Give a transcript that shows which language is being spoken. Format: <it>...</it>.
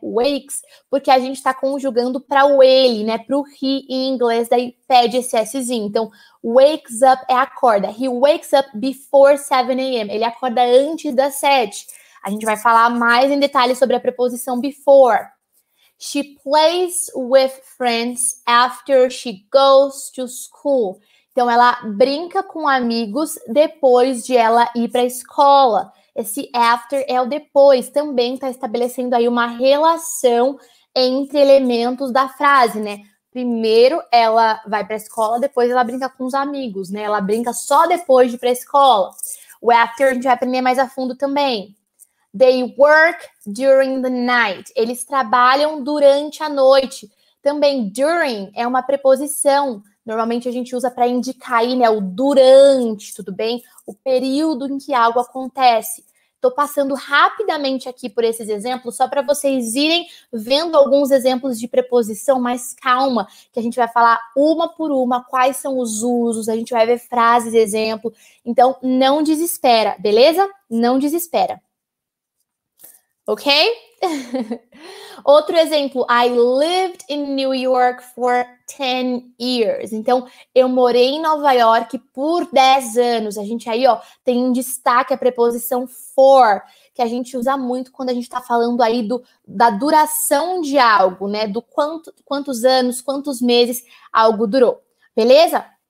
<pt>Wakes, porque a gente está conjugando para o ele, né? Para o he em inglês, daí pede esse Szinho. Então, wakes up é acorda.</pt> <en>He wakes up before 7 a.m.</en> <pt>Ele acorda antes das 7. A gente vai falar mais em detalhe sobre a preposição before.</pt> <en>She plays with friends after she goes to school.</en> <pt>Então, ela brinca com amigos depois de ela ir para a escola. Esse after é o depois. Também está estabelecendo aí uma relação entre elementos da frase, né? Primeiro, ela vai para a escola, depois ela brinca com os amigos, né? Ela brinca só depois de ir para a escola. O after a gente vai aprender mais a fundo também.</pt> <en>They work during the night.</en> <pt>Eles trabalham durante a noite. Também, during é uma preposição. Normalmente, a gente usa para indicar aí, né, o durante, tudo bem? O período em que algo acontece. Estou passando rapidamente aqui por esses exemplos, só para vocês irem vendo alguns exemplos de preposição, mas calma, que a gente vai falar uma por uma quais são os usos, a gente vai ver frases, exemplo. Então, não desespera, beleza? Não desespera. Ok? Outro exemplo.</pt> <en>I lived in New York for 10 years.</en> <pt>Então, eu morei em Nova York por 10 anos. A gente aí, ó, tem em destaque a preposição for, que a gente usa muito quando a gente tá falando aí da duração de algo, né? Do quantos anos, quantos meses algo durou. Beleza?</pt>